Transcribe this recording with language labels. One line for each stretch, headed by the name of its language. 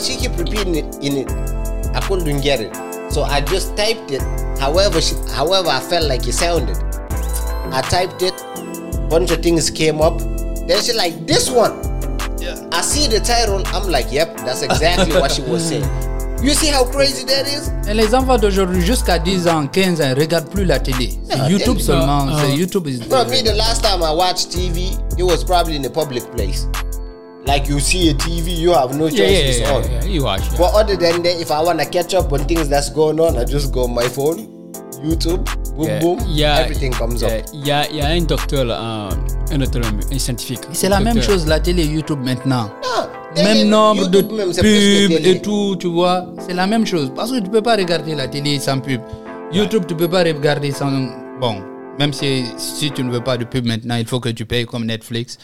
English: She keep repeating it in it. I couldn't get it. So I just typed it. However, I felt like it sounded. I typed it. Bunch of things came up. Then she like, this one. Yeah. I see the title. I'm like, yep, that's exactly what she was saying. You see how crazy that is?
French: Et les enfants d'aujourd'hui jusqu'à 10 ans, 15 ans, ne regardent plus la télé. C'est yeah, YouTube télé. Seulement. C'est YouTube.
English: For me, the last time I watched TV, it was probably in a public place. Like you see a TV, you have no choice. Yeah, it's on. Yeah, you watch. Yeah. But other than that, if I want to catch up on things that's going on, I just go on my phone, YouTube, boom, yeah. boom, yeah. everything comes yeah. up.
French: Yeah, un docteur, un scientifique. C'est la même chose, la télé, YouTube maintenant. Non. Même nombre de pubs et tout, tu vois. C'est la même chose. Parce que tu ne peux pas regarder la télé sans pub. YouTube, ouais. tu ne peux pas regarder sans... Bon, même si tu ne veux pas de pub maintenant, il faut que tu payes comme Netflix.